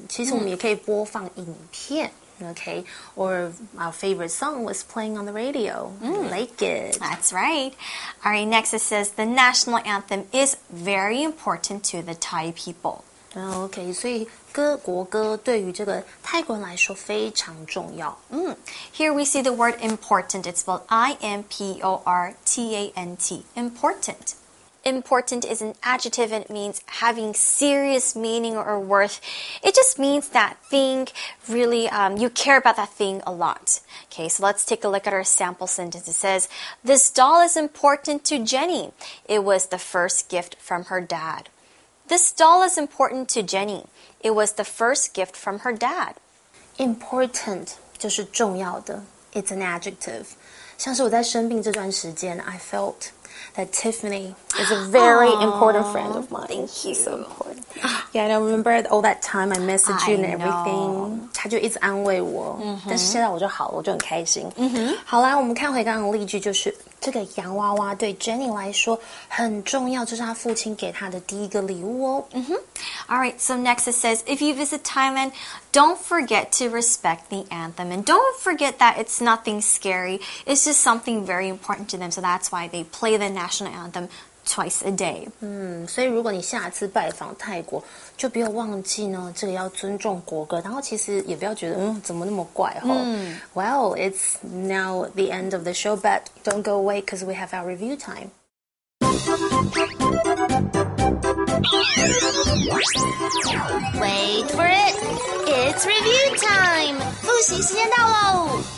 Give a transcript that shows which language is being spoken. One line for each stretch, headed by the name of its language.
Chinese: 其实我们也可以播放影片。
English: Okay, or our favorite song was playing on the radio. Like it. That's right. All right, next it says, the national anthem is very important to the Thai people.
Chinese: Okay, 所以歌国歌对于这个泰国人来说非常重要。
English: Here we see the word important. It's spelled I-M-P-O-R-T-A-N-T. Important. Important is an adjective and it means having serious meaning or worth. It just means that thing really, you care about that thing a lot. Okay, so let's take a look at our sample sentence. It says, this doll is important to Jenny. It was the first gift from her dad. This doll is important to Jenny. It was the first gift from her dad. Important
Chinese: 就是重要的
English: It's an adjective.
Chinese: 像是我在生病这段时间
English: I felt that Tiffany is a very important friend of mine. Thank you. She's so important. Yeah, I know. Remember all that time I messaged you and everything?
Chinese: 她就一直安慰我、mm-hmm. 但是现在我就好了我就很开心、 mm-hmm. 好啦我们看回刚刚的例句就是这个洋娃娃对 Jenny 来说很重要就是她父亲给她的第一个礼物哦、 mm-hmm.
English: Alright, so next it says If you visit Thailand, don't forget to respect the anthem And don't forget that it's nothing scary It's just something very important to them So that's why they play the national anthem twice a day
Chinese: 嗯，所以如果你下次拜访泰国就不要忘记呢这个要尊重国歌然后其实也不要觉得嗯，怎么那么怪哦、嗯、
English: Well, it's now the end of the show But don't go away because we have our review time Wait for it It's review time
Chinese: 复习时间到喽